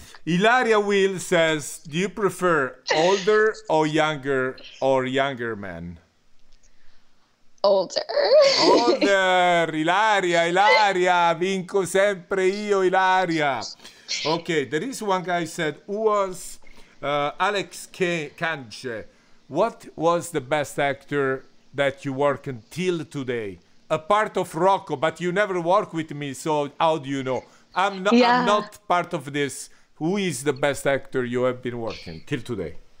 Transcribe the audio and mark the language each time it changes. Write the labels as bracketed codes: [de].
[en] Ilaria Will says, do you prefer older or younger men? Older. [it] Ilaria, vinco sempre io, Ilaria. [en] Okay, there is one guy said, who was Alex Kanche? What was the best actor that you work until today? A part of Rocco, but you never work with me, so how do you know? I'm not part of this. Who is the best actor you have been working till today?